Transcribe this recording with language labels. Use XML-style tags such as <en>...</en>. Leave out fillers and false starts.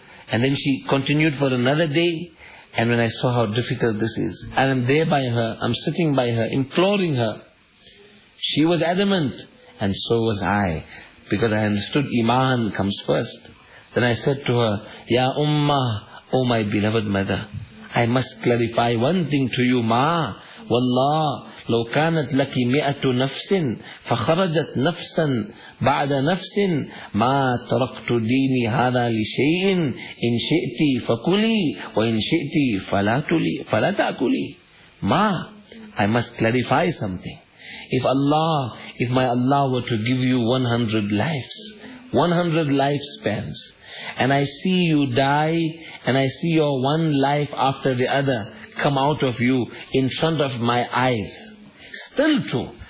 <en>And then she continued for another day. And when I saw how difficult this is, I am there by her, I'm sitting by her, imploring her. She was adamant, and so was I, because I understood Iman comes first. Then I said to her,</en> <ar>Ya Ummah,</ar> <en>O my beloved mother, I must clarify one thing to you, Ma.</en> <ar>Wallah, لو كانت لك مئة نفس فخرجت نفسا بعد نفس ما تركت ديني هذا لشيء إن شئت فكلي وإن شئت فلا تأكلي.</ar> <en>Ma, I must clarify something. If my Allah were to give you 100 lives, 100 lifespans, and I see you die, and I see your one life after the other come out of you in front of my eyes, still too,</en>